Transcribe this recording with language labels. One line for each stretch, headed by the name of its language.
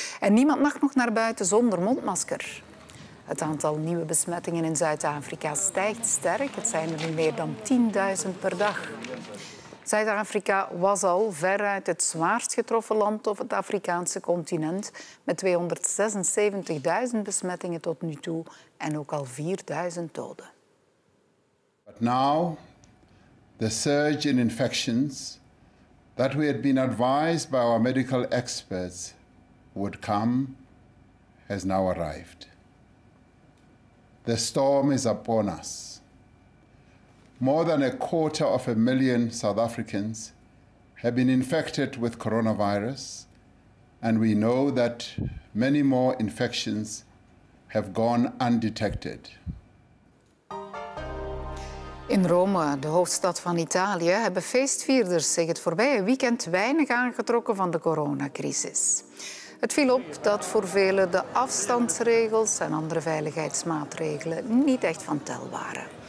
Dutch: En niemand mag nog naar buiten zonder mondmasker. Het aantal nieuwe besmettingen in Zuid-Afrika stijgt sterk. Het zijn er nu meer dan 10.000 per dag. Zuid-Afrika was al veruit het zwaarst getroffen land op het Afrikaanse continent, met 276.000 besmettingen tot nu toe en ook al 4.000 doden.
English: But now, the surge in infections that we had been advised by our medical experts would come, has now arrived. The storm is upon us. More than a quarter of a million South Africans have been infected with coronavirus, and we know that many more infections have gone undetected.
Dutch: In Rome, de hoofdstad van Italië, hebben feestvierders zich het voorbije weekend weinig aangetrokken van de coronacrisis. Het viel op dat voor velen de afstandsregels en andere veiligheidsmaatregelen niet echt van tel waren.